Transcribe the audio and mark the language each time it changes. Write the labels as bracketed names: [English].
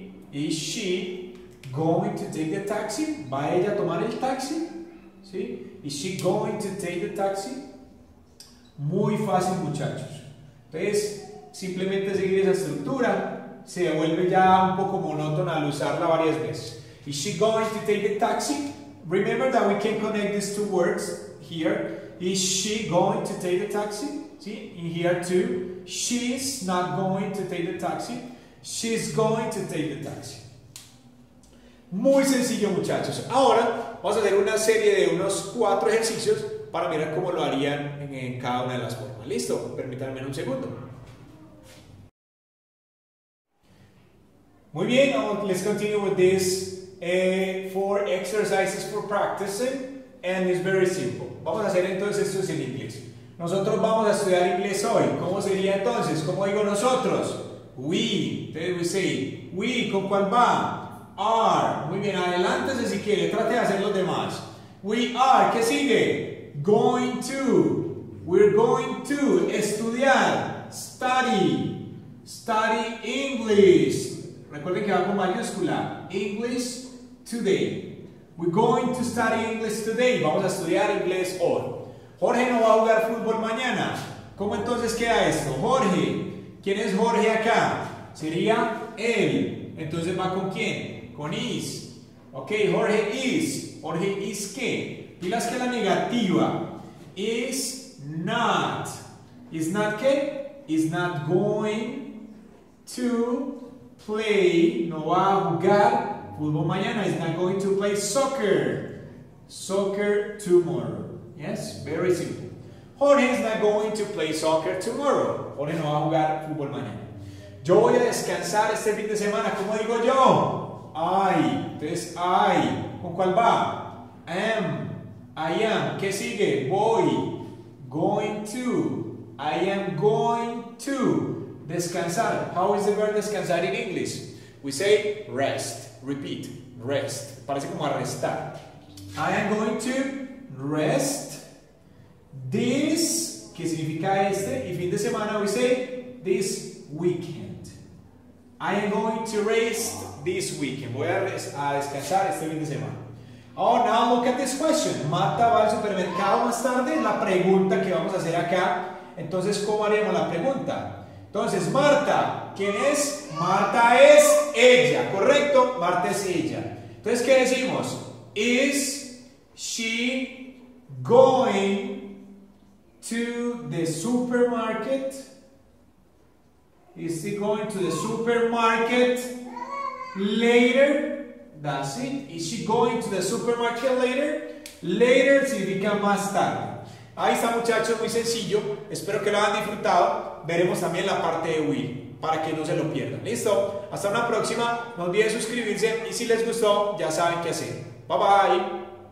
[English] Is she going to take the taxi? [Spanish] ¿Va ella a tomar el taxi? ¿Sí? [English] Is she going to take the taxi? [Spanish] Muy fácil, muchachos. Entonces, simplemente seguir esa estructura se vuelve ya un poco monótona al usarla varias veces. [English] Is she going to take the taxi? Remember that we can connect these two words here. Is she going to take the taxi? See, in here too. She's not going to take the taxi. She's going to take the taxi. [Spanish] Muy sencillo, muchachos. Ahora vamos a hacer una serie de unos 4 ejercicios para mirar cómo lo harían en cada una de las formas. ¿Listo? Permítanme un segundo. Muy bien, [English] let's continue with this 4 exercises for practicing. And it's very simple. [Spanish] Vamos a hacer entonces esto en inglés. Nosotros vamos a estudiar inglés hoy. ¿Cómo sería entonces? ¿Cómo digo nosotros? [English] We. [Spanish] Entonces [English] we say, we, [Spanish] ¿con cuál va? [English] Are. [Spanish] Muy bien, adelántese si quiere. Trate de hacer los demás. [English] We are. [Spanish] ¿Qué sigue? [English] Going to. We're going to. [Spanish] Estudiar. [English] Study. Study English. [Spanish] Recuerden que va con mayúscula. [English] English today. We're going to study English today. [Spanish] Vamos a estudiar inglés hoy. Jorge no va a jugar fútbol mañana. ¿Cómo entonces queda esto? Jorge. ¿Quién es Jorge acá? Sería él. Entonces va con quién? Con is. [English] Ok, Jorge is. Jorge is qué? [Spanish] Pilas que la negativa. [English] Is not. Is not qué? Is not going to play. [Spanish] No va a jugar fútbol mañana. [English] Is not going to play soccer. Soccer tomorrow. Yes, very simple. Jorge is not going to play soccer tomorrow. [Spanish] Jorge no va a jugar fútbol mañana. Yo voy a descansar este fin de semana. ¿Cómo digo yo? [English] I. [Spanish] Entonces, I. ¿Con cuál va? [English] Am. I am. [Spanish] ¿Qué sigue? Voy. [English] Going to. I am going to. [Spanish] Descansar. [English] How is the verb descansar in English? We say rest. Repeat. Rest. [Spanish] Parece como arrestar. [English] I am going to rest this, [Spanish] que significa este, y fin de semana [English] we say this weekend. I am going to rest this weekend. [Spanish] Voy a descansar este fin de semana. [English] Oh, now look at this question. [Spanish] Marta va al supermercado más tarde. La pregunta que vamos a hacer acá. Entonces, ¿cómo haremos la pregunta? Entonces, Marta, ¿quién es? Marta es ella, ¿correcto? Marta es ella. Entonces, ¿qué decimos? [English] Is she going to the supermarket? Is she going to the supermarket later? That's it. Is she going to the supermarket later? [Spanish] Later significa más tarde. Ahí está, muchachos, muy sencillo. Espero que lo hayan disfrutado. Veremos también la parte de Will para que no se lo pierdan. ¿Listo? Hasta una próxima. No olviden suscribirse y si les gustó, ya saben qué hacer. [English] Bye, bye.